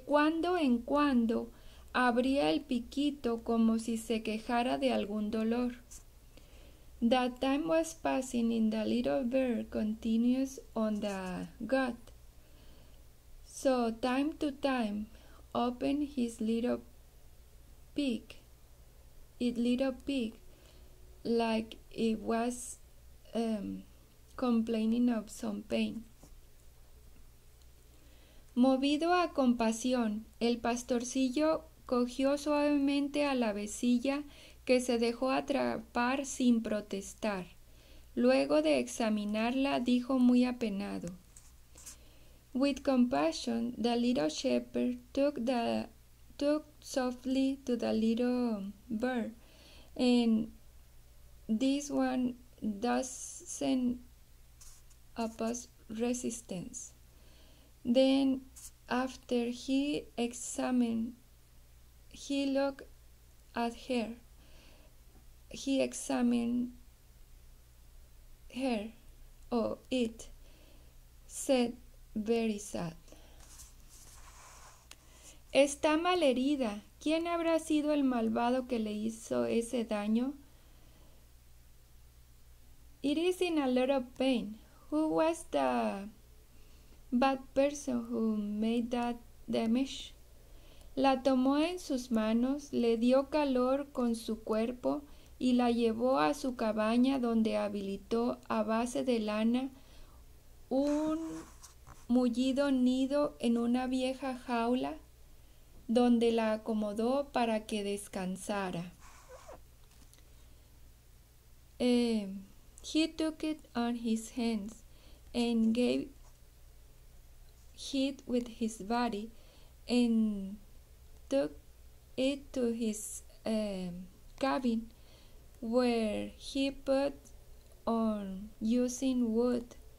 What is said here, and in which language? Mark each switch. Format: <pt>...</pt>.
<es>De cuando en cuando abría el piquito como si se quejara de algún dolor.</es> <en>The time was passing and the little bird continues on the gut. So time to time, open his little beak, its little beak, like it was complaining of some pain.</en> <es>Movido a compasión, el pastorcillo cogió suavemente a la avecilla, que se dejó atrapar sin protestar. Luego de examinarla, dijo muy apenado.</es> <en>With compassion, the little shepherd took softly to the little bird, and this one doesn't oppose resistance. Then, after he examined, he looked at her. He examined her, or it, said very sad.</en> <es>Está mal herida. ¿Quién habrá sido el malvado que le hizo ese daño?</es> <en>It is in a lot of pain. Who was the bad person who made that damage?</en> <es>La tomó en sus manos, le dio calor con su cuerpo y la llevó a su cabaña donde habilitó a base de lana un mullido nido en una vieja jaula donde la acomodó para que descansara.</es> <en>He took it on his hands and gave it with his body and took it to his cabin where he put on using wood.</en>